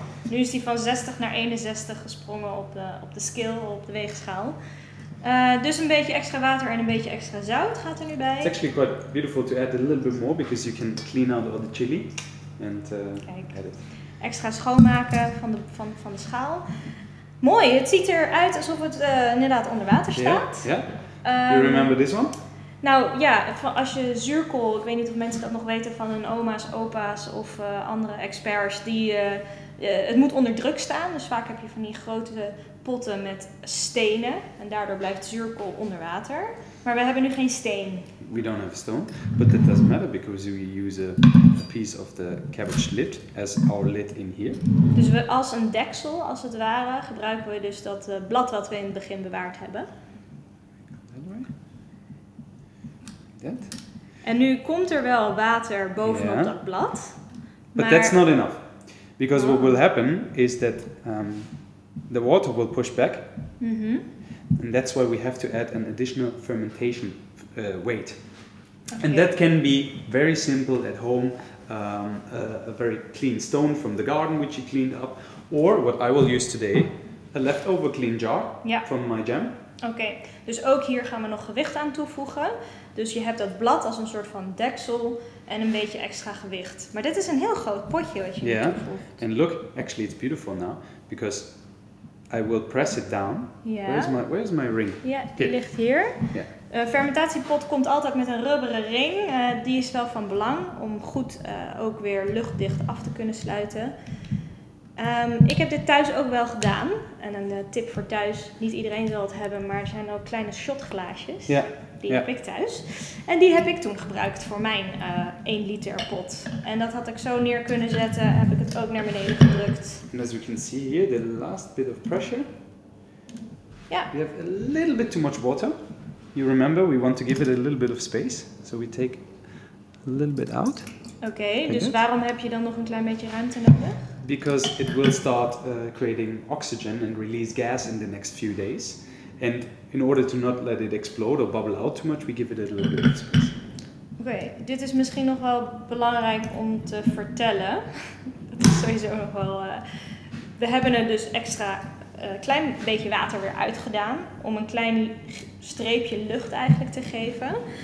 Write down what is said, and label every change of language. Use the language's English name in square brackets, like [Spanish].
[Dutch] Nu is die van 60 naar 61 gesprongen op de scale, op de weegschaal. Dus een beetje extra water en een beetje extra zout gaat er nu bij. [English] It's actually quite beautiful to add a little bit more because you can clean out all the chili and add it. [Dutch] Extra schoonmaken van de schaal. Mooi, het ziet eruit alsof het inderdaad onder water staat. [English] You remember this one? [Dutch] Nou ja, als je zuurkool, ik weet niet of mensen dat nog weten van hun oma's, opa's of andere experts, het moet onder druk staan. Dus vaak heb je van die grote potten met stenen en daardoor blijft zuurkool onder water. Maar we hebben nu geen steen. [English] We don't have stone, but that doesn't matter because we use a piece of the cabbage lid as our lid in here. [Dutch] Dus we als een deksel, als het ware, gebruiken we dus dat blad wat we in het begin bewaard hebben. [English] That. [Dutch] En nu komt er wel water bovenop dat blad. [English] But that's not enough. Because what will happen is that the water will push back. Mm-hmm. And that's why we have to add an additional fermentation weight. Okay. And that can be very simple at home. A very clean stone from the garden which you cleaned up. Or what I will use today, a leftover clean jar from my jam. [Dutch] Oké, dus ook hier gaan we nog gewicht aan toevoegen. Dus je hebt dat blad als een soort van deksel en een beetje extra gewicht. Maar dit is een heel groot potje wat je toevoegt. [English] Yeah. And look, actually it's beautiful now, because I will press it down. Yeah. Where is my ring? [Dutch] Ja, die ligt hier. [English] Yeah. [Dutch] Een fermentatiepot komt altijd met een rubberen ring. Die is wel van belang om goed ook weer luchtdicht af te kunnen sluiten. Ik heb dit thuis ook wel gedaan. En een tip voor thuis. Niet iedereen zal het hebben, maar er zijn ook kleine shotglaasjes. Ja. Die heb ik thuis. En die heb ik toen gebruikt voor mijn 1 liter pot. En dat had ik zo neer kunnen zetten, heb ik het ook naar beneden gedrukt. [English] And as we can see here, the last bit of pressure. [Dutch] Ja. [English] We have a little bit too much water. You remember, we want to give it a little bit of space. So we take a little bit out. [Dutch] Oké, waarom heb je dan nog een klein beetje ruimte nodig? [English] Because it will start creating oxygen and release gas in the next few days. And in order to not let it explode or bubble out too much, we give it a little bit of space. [Dutch] Oké, dit is misschien nog wel belangrijk om te vertellen. Dat is sowieso nog wel... We hebben er dus extra klein beetje water weer uitgedaan. Om een klein streepje lucht eigenlijk te geven.